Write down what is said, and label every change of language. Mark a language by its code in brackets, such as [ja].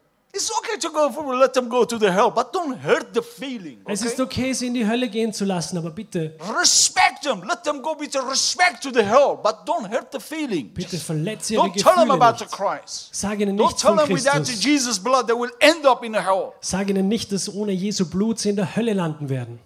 [en] It's okay to go for let them go to the hell, but don't hurt the feeling. [de] Okay? Es ist okay, sie in die Hölle gehen zu lassen, aber bitte. [en] Respect them, let them go with respect to the hell, but don't hurt the feeling. [de] Bitte verletze ihre Gefühle. [en] Don't tell them about the Christ. [de] Sag ihnen nicht von Christus. [en] Don't tell them without Jesus' blood they will end up in the hell. [de] Sag ihnen nicht, dass ohne Jesu Blut sie in der Hölle landen werden.